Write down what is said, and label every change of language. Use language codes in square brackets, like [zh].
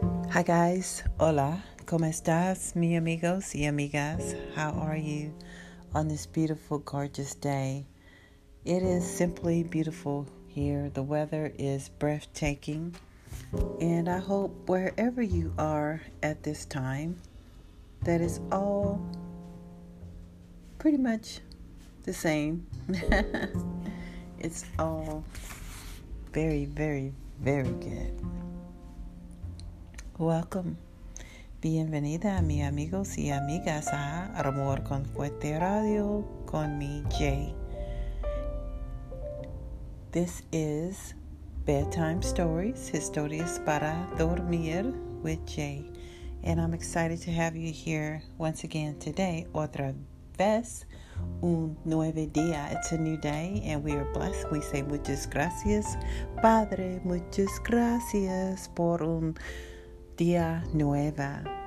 [en] Hi guys, [es] hola, ¿cómo estás, mi amigos y amigas? [en] How are you on this beautiful, gorgeous day? It is simply beautiful here. The weather is breathtaking. And I hope wherever you are at this time, that it's all pretty much the same. It's all very, very, very good. Welcome. [es] Bienvenida, mi amigos y amigas, a Amor con Fuerte Radio con mi Jay. [en] This is Bedtime Stories, [es] Historias para Dormir [en] with Jay. And I'm excited to have you here once again today, [es] otra vez, un nuevo día. [en] It's a new day and we are blessed. We say [es] muchas gracias, Padre, muchas gracias por un día nueva.